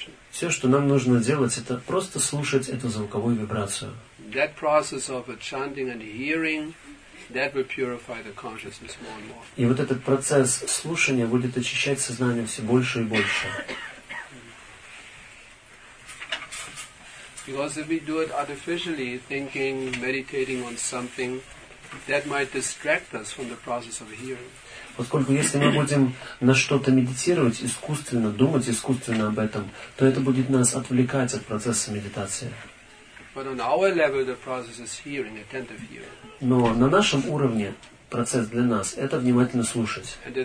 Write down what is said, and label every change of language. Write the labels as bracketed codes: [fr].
[ru] Все, что нам нужно делать, это просто слушать эту звуковую вибрацию. [en] That process of chanting and hearing, that will purify the consciousness more and more. [ru] И вот этот процесс слушания будет очищать сознание все больше и больше. [en] Because if we do it artificially, thinking, meditating on something, that might distract us from the process of hearing. [ru] Поскольку если мы будем на что-то медитировать, искусственно думать, искусственно об этом, то это будет нас отвлекать от процесса медитации. Но на нашем уровне процесс для нас — это внимательно слушать.